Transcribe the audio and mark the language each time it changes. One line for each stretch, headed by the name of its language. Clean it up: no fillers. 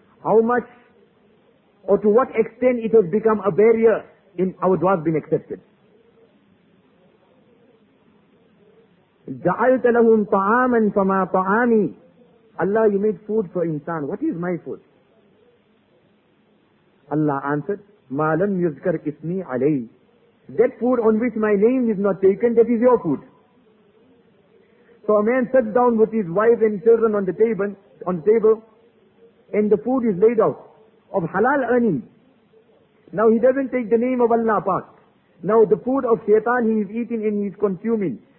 English: How much or to what extent it has become a barrier in our du'as being accepted?
Arabic: جَعَلْتَ لَهُمْ طَعَامًا فَمَا طَعَامِي.
English: Allah, you made food for insan. What is my food? Allah answered,
Arabic: مَا لَمْ يُذْكَرْ إِسْمِي عَلَيْهِ.
English: That food on which my name is not taken, that is your food. So a man sits down with his wife and children on the table, and the food is laid out of halal earning. Now he doesn't take the name of Allah Pak. Now the food of shaitan he is eating and he is consuming.